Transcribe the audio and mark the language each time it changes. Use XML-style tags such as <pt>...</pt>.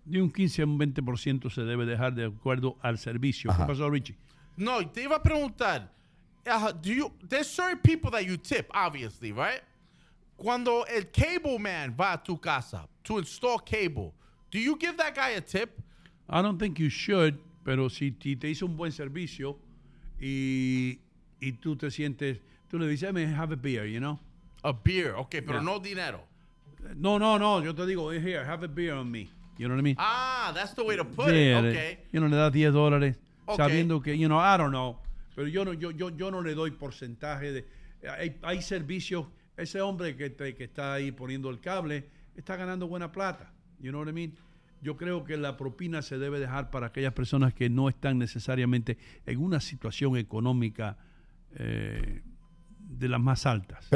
<es>De un 15 a un 20% se debe dejar de acuerdo al servicio. Ajá. ¿Qué pasó, Richie? No, te iba a preguntar.</es> <en>There's certain people that you tip, obviously, right?</en> <es>Cuando el</es> <en>cable man</en> <es>va a tu casa</es> <en>to install cable, do you give that guy a tip? I don't think you should,</en> <es>pero si te hizo un buen servicio y tú te sientes, tú le dices,</es> <en>hey, have a beer, you know? A beer, okay, pero yeah.</en> <es>No dinero.</es> <en>No,</en> <es>yo te digo,</es> <en>here, have a beer on me, you know what I mean? Ah, that's the way to put it, okay. You know,</en> <es>le das</es> <en>$10, okay.</en> <es>Sabiendo que,</es> <en>you know, I don't know.</en> <es>Pero yo no le doy porcentaje de hay servicios. Ese hombre que está ahí poniendo el cable está ganando buena plata.</es> <en>You know what I mean?</en> <es>Yo creo que la propina se debe dejar para aquellas personas que no están necesariamente en una situación económica de las más altas.</es>